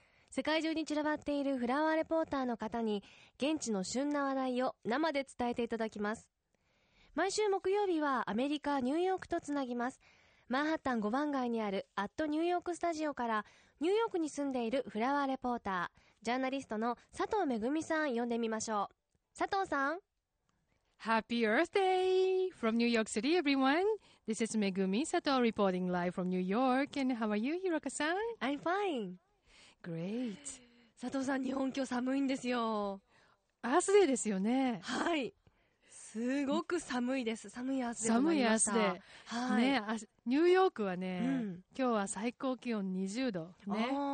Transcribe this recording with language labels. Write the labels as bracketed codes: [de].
[ja] 世界中に散らばっているフラワーレポーターの方に現地の旬な話題を生で伝えていただきます。毎週木曜日はアメリカ・ニューヨークとつなぎます。マンハッタン5番街にあるアットニューヨークスタジオからニューヨークに住んでいるフラワーレポータージャーナリストの佐藤めぐみさん呼んでみましょう。佐藤さん、 [en] Happy Earth Day from New York City, everyone. This is Megumi Sato reporting live from New York. And how are you, Hiroka-san? I'm fine. Great. [ja] Sato-san, 日本今日寒いんですよ。アースデーですよね。はい。すごく寒いです。寒いアースデーになりました。寒いアースデー。はい。ね、ニューヨークはね、うん、今日は最高気温20度。ね。